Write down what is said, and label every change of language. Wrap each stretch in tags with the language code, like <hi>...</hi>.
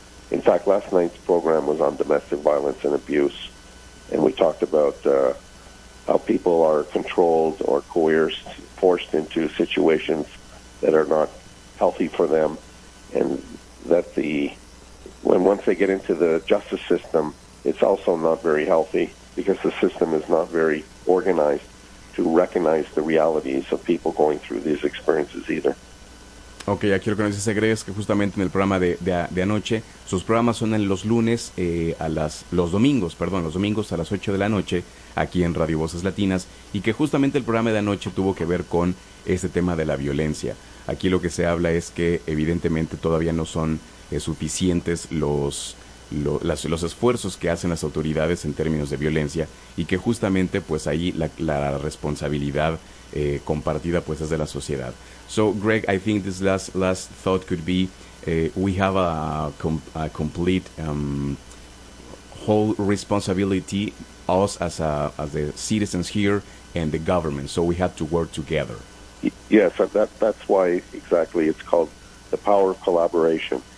<en>In fact, last night's program was on domestic violence and abuse, and we talked about how people are controlled or coerced, forced into situations that are not healthy for them, and that once they get into the justice system, it's also not very healthy because the system is not very organized to recognize the realities of people going through these experiences either.</en> <es>Ok, aquí lo que nos dice Greg es que justamente en el programa de anoche, sus programas son en los lunes, los domingos a las 8 de la noche, aquí en Radio Voces Latinas, y que justamente el programa de anoche tuvo que ver con este tema de la violencia. Aquí lo que se habla es que evidentemente todavía no son suficientes los esfuerzos que hacen las autoridades en términos de violencia, y que justamente pues ahí la responsabilidad compartida pues es de la sociedad.</es> <en>So, Greg, I think this last thought could be, we have a complete whole responsibility, us as the citizens here and the government, so we have to work together. Yes, that's why exactly it's called the power of collaboration.</en>